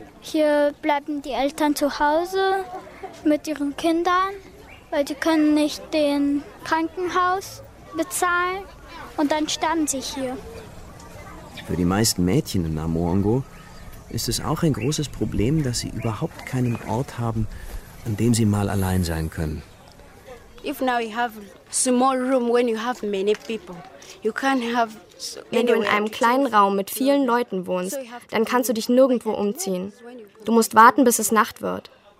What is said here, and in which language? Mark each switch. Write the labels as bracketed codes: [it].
[de] Hier bleiben die Eltern zu Hause mit ihren Kindern, weil sie können nicht den Krankenhaus bezahlen und dann sterben sie hier. Für die meisten Mädchen in Namoongo ist es auch ein großes Problem, dass sie überhaupt keinen Ort haben, an dem sie mal allein sein können. [en] If now you have small room when you have many people, you can't have. [de] Wenn du in einem kleinen Raum mit vielen Leuten wohnst, dann kannst du dich nirgendwo umziehen. Du musst warten, bis es Nacht wird.